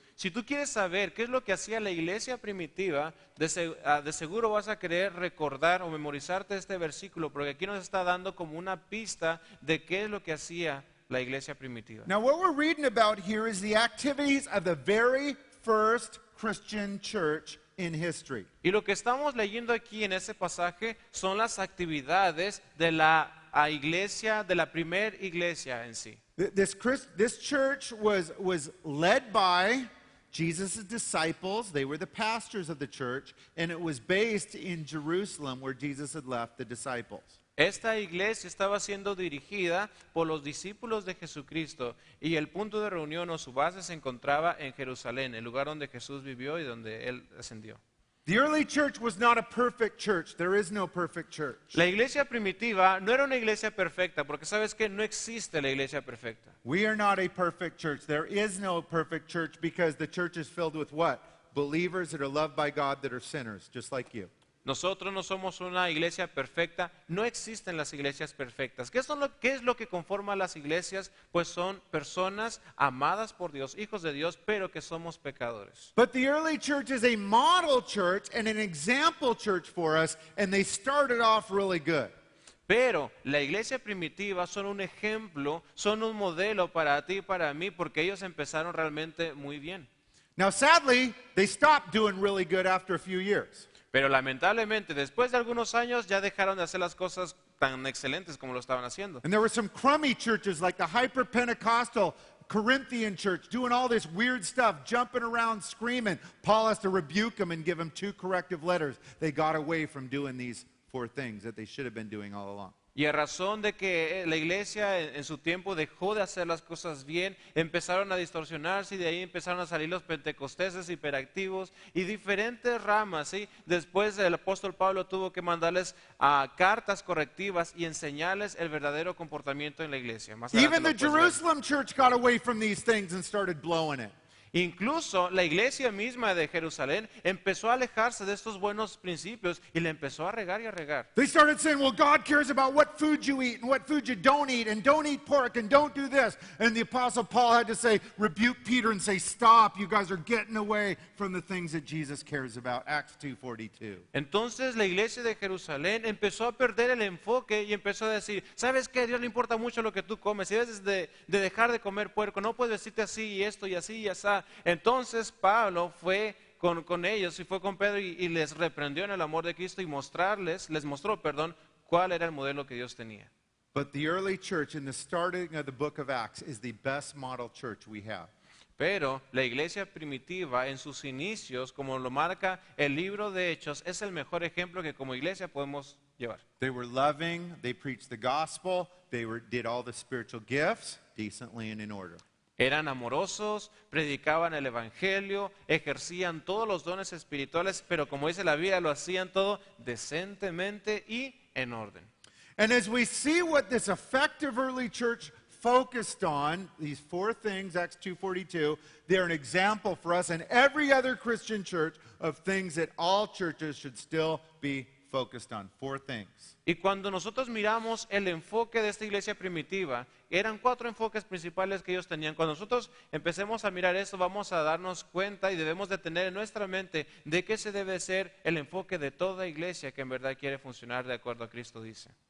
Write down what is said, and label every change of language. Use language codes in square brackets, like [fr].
[es] Si tú quieres saber qué es lo que hacía la iglesia primitiva, de seguro vas a querer recordar o memorizarte este versículo, porque aquí nos está dando como una pista de qué es lo que hacía la iglesia primitiva. [en] Now what we're reading about here is the activities of the very first Christian church in history. [es] Y lo que estamos leyendo aquí en ese pasaje son las actividades de la iglesia, de la primer iglesia en sí. [en] This church was led by Jesus' disciples. They were the pastors of the church, and it was based in Jerusalem where Jesus had left the disciples. [es] Esta iglesia estaba siendo dirigida por los discípulos de Jesucristo, y el punto de reunión o su base se encontraba en Jerusalén, el lugar donde Jesús vivió y donde él ascendió. [en] The early church was not a perfect church. There is no perfect church. [es] La iglesia primitiva no era una iglesia perfecta, porque sabes que no existe la iglesia perfecta. [en] We are not a perfect church. There is no perfect church, because the church is filled with what? Believers that are loved by God that are sinners, just like you. [es] Nosotros no somos una iglesia perfecta. No existen las iglesias perfectas. ¿Qué es lo que conforma las iglesias? Pues son personas amadas por Dios, hijos de Dios, pero que somos pecadores. [en] But the early church is a model church and an example church for us, and they started off really good. [es] Pero la iglesia primitiva son un ejemplo, son un modelo para ti y para mí, porque ellos empezaron realmente muy bien. [en] Now sadly, they stopped doing really good after a few years. [es] Pero lamentablemente, después de algunos años, ya dejaron de hacer las cosas tan excelentes como lo estaban haciendo. [en] And there were some crummy churches like the hyper-Pentecostal Corinthian church doing all this weird stuff, jumping around, screaming. Paul has to rebuke them and give them 2 corrective letters. They got away from doing these 4 things that they should have been doing all along. [es] Y a razón de que la iglesia en su tiempo dejó de hacer las cosas bien, empezaron a distorsionarse, y de ahí empezaron a salir los pentecosteses hiperactivos y diferentes ramas, ¿sí? Después el apóstol Pablo tuvo que mandarles cartas correctivas y enseñarles el verdadero comportamiento en la iglesia. [en] Even the Jerusalem church got away from these things and started blowing it. [es] Incluso la iglesia misma de Jerusalén empezó a alejarse de estos buenos principios y le empezó a regar y a regar. [en] They started saying, well, God cares about what food you eat and what food you don't eat, and don't eat pork and don't do this. And the apostle Paul had to say, rebuke Peter and say, stop, you guys are getting away from the things that Jesus cares about. Acts 2:42. [es] Entonces la iglesia de Jerusalén empezó a perder el enfoque y empezó a decir, ¿sabes qué? A Dios le importa mucho lo que tú comes. Y debes de dejar de comer puerco. No puedes decirte así y esto y así y así. Entonces Pablo fue con ellos y fue con Pedro y les reprendió en el amor de Cristo y les mostró cuál era el modelo que Dios tenía. [en] But the early church in the starting of the book of Acts is the best model church we have. [es] Pero la iglesia primitiva en sus inicios, como lo marca el libro de Hechos, es el mejor ejemplo que como iglesia podemos llevar. [en] They were loving, they preached the gospel, did all the spiritual gifts decently and in order. [es] Eran amorosos, predicaban el evangelio, ejercían todos los dones espirituales, pero como dice la Biblia, lo hacían todo decentemente y en orden. [en] And as we see what this effective early church focused on, these 4 things, Acts 2:42, they're an example for us and every other Christian church of things that all churches should still be focused on. 4 things. [es] Y cuando nosotros miramos el enfoque de esta iglesia primitiva, eran 4 enfoques principales que ellos tenían. Cuando nosotros empecemos a mirar esto, vamos a darnos cuenta y debemos de tener en nuestra mente de qué se debe ser el enfoque de toda iglesia que en verdad quiere funcionar de acuerdo a Cristo dice.